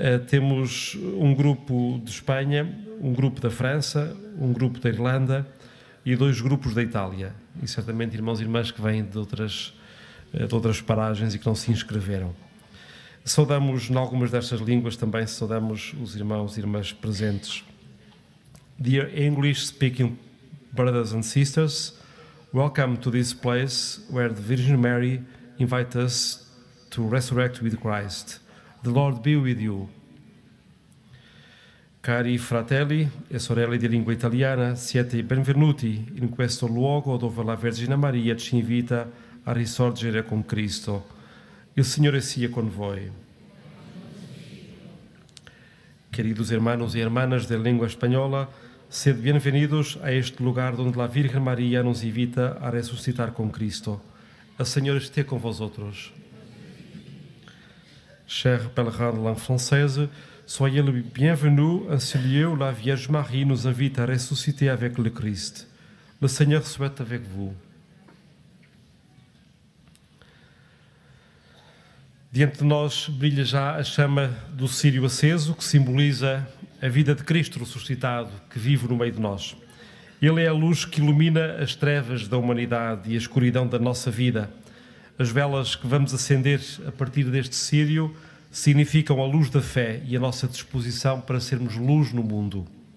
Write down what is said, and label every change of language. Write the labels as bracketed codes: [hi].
[pt] Temos um grupo de Espanha, um grupo da França, um grupo da Irlanda e dois grupos da Itália, e certamente irmãos e irmãs que vêm de outras paragens e que não se inscreveram. Saudamos, em algumas destas línguas também, saudamos os irmãos e irmãs presentes. [en] Dear English-speaking brothers and sisters, welcome to this place where the Virgin Mary invites us to resurrect with Christ. The Lord be with you. [it] Cari fratelli e sorelle di lingua italiana, siete benvenuti in questo luogo dove la Vergine Maria ci invita a risorgere con Cristo. Il Signore sia con voi. [es] Queridos hermanos e hermanas de lingua española, sed bienvenidos a este lugar donde la Virgen Maria nos invita a resucitar con Cristo. El Señor esté con vosotros. [fr] Chers pèlerins de langue française, soyez le bienvenu à ce lieu où la Vierge Marie nous invite à ressusciter avec le Christ. Le Seigneur soit avec vous. [pt] Diante de nós brilha já a chama do círio aceso, que simboliza a vida de Cristo ressuscitado, que vive no meio de nós. Ele é a luz que ilumina as trevas da humanidade e a escuridão da nossa vida. As velas que vamos acender a partir deste círio significam a luz da fé e a nossa disposição para sermos luz no mundo.